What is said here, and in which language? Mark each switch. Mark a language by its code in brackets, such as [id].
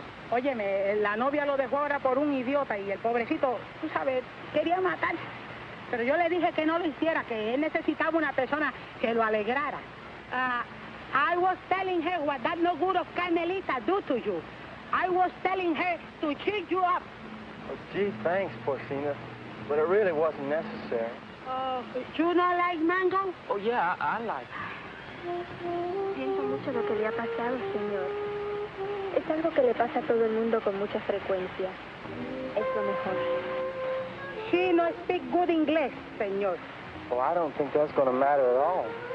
[es] Óyeme, la novia lo dejó ahora por un idiota y el pobrecito, tú sabes, quería matar. Pero yo le dije que no lo hiciera, que él necesitaba una persona que lo alegrara. [en] I was telling her what that no good of Carmelita do to you. I was telling her to cheat you up. Oh, gee, thanks, Porcina. But it really wasn't necessary. You not like Mango? Oh, yeah, I like her. [es] Siento mucho lo que le ha pasado, señor. Es algo que le pasa a todo el mundo con mucha frecuencia. Es lo mejor. [en] She no speak good English, señor. Oh, I don't think that's going to matter at all.